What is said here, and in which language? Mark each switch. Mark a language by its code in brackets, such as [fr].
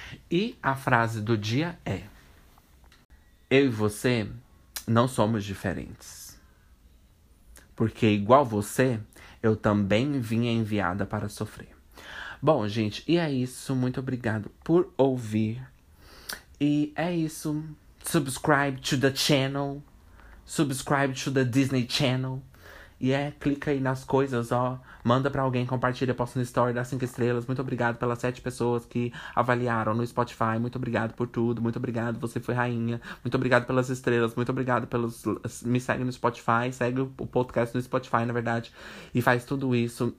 [pt] E a frase do dia é: eu e você não somos diferentes. Porque igual você. Eu também vim enviada para sofrer. Bom, gente, e é isso. Muito obrigado por ouvir. E é isso. [en] Subscribe to the channel. Subscribe to the Disney Channel. [pt] Clica aí nas coisas, ó. Manda pra alguém, compartilha, posta no story das 5 estrelas. Muito obrigado pelas 7 pessoas que avaliaram no Spotify. Muito obrigado por tudo. Muito obrigado, você foi rainha. Muito obrigado pelas estrelas. Muito obrigado pelos. Me segue no Spotify. Segue o podcast no Spotify, na verdade. E faz tudo isso.